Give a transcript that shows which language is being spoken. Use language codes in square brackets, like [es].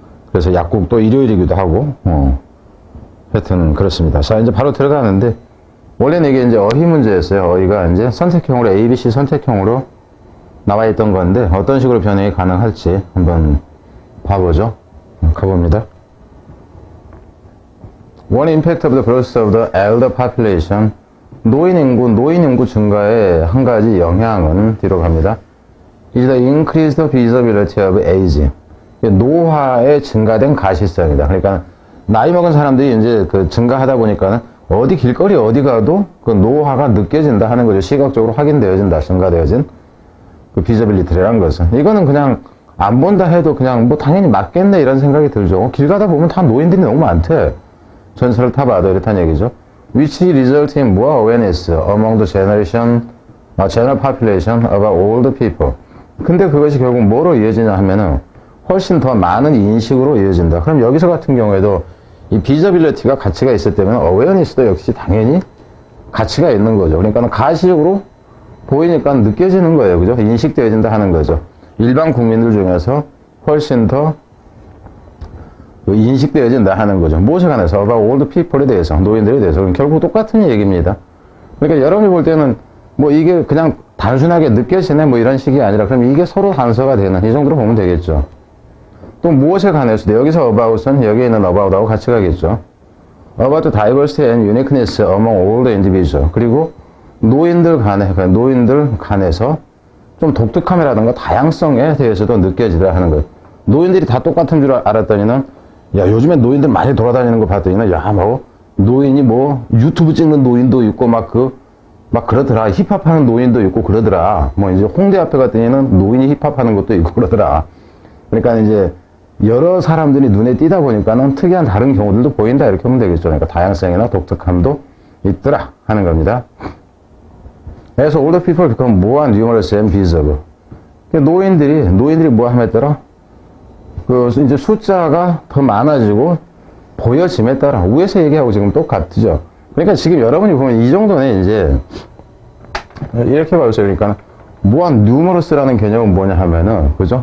[ko] 그래서 약국도 일요일이기도 하고 하여튼 그렇습니다. 자, 이제 바로 들어가는데 원래는 이게 이제 어휘 문제였어요. 어휘가 이제 선택형으로 ABC 선택형으로 나와있던 건데 어떤 식으로 변형이 가능할지 한번 봐보죠. 가봅니다. [en] One impact of the growth of the elder population. [ko] 노인 인구 증가의 한 가지 영향은 뒤로 갑니다. [en] Is the increased visibility of age. [ko] 노화의 증가된 가시성이다. 그러니까, 나이 먹은 사람들이 이제 그 증가하다 보니까 어디 길거리 어디 가도 그 노화가 느껴진다 하는 거죠. 시각적으로 확인되어진다. 증가되어진 그 비저빌리티라는 것은. 이거는 그냥 안 본다 해도 그냥 뭐 당연히 맞겠네 이런 생각이 들죠. 길 가다 보면 다 노인들이 너무 많대. 전철을 타봐도 이렇다는 얘기죠. [en] Which result in more awareness among the general population about old people. [ko] 근데 그것이 결국 뭐로 이어지냐 하면은 훨씬 더 많은 인식으로 이어진다. 그럼 여기서 같은 경우에도 이 비저빌리티가 가치가 있을 때면 awareness도 역시 당연히 가치가 있는 거죠. 그러니까 가시적으로 보이니까 느껴지는 거예요. 그죠? 인식되어진다 하는 거죠. 일반 국민들 중에서 훨씬 더 인식되어진다 하는 거죠. 무엇에 관해서? [en] About old people [ko] 에 대해서, 노인들에 대해서. 그럼 결국 똑같은 얘기입니다. 그러니까 여러분이 볼 때는 뭐 이게 그냥 단순하게 느껴지네 뭐 이런 식이 아니라 그럼 이게 서로 단서가 되는 이 정도로 보면 되겠죠. 또 무엇에 관해서? 여기서 about은 여기에 있는 about하고 같이 가겠죠. [en] About the diversity and uniqueness among old individuals. [ko] 그리고 노인들 간에, 그러니까 노인들 간에서 좀 독특함이라든가 다양성에 대해서도 느껴지더라 하는 거예요. 노인들이 다 똑같은 줄 알았더니는 야 요즘에 노인들 많이 돌아다니는 거 봤더니는 야 뭐 노인이 뭐 유튜브 찍는 노인도 있고 막 그 막 그러더라. 힙합하는 노인도 있고 그러더라. 뭐 이제 홍대 앞에 갔더니는 노인이 힙합하는 것도 있고 그러더라. 그러니까 이제 여러 사람들이 눈에 띄다 보니까는 특이한 다른 경우들도 보인다 이렇게 보면 되겠죠. 그러니까 다양성이나 독특함도 있더라 하는 겁니다. [en] As older people become more numerous and visible. [ko] 노인들이 뭐 함에 따라? 그, 이제 숫자가 더 많아지고 보여짐에 따라. 위에서 얘기하고 지금 똑같죠. 그러니까 지금 여러분이 보면 이 정도는 이제, 이렇게 봐주세요. 그러니까, 무한 numerous라는 개념은 뭐냐 하면은, 그죠?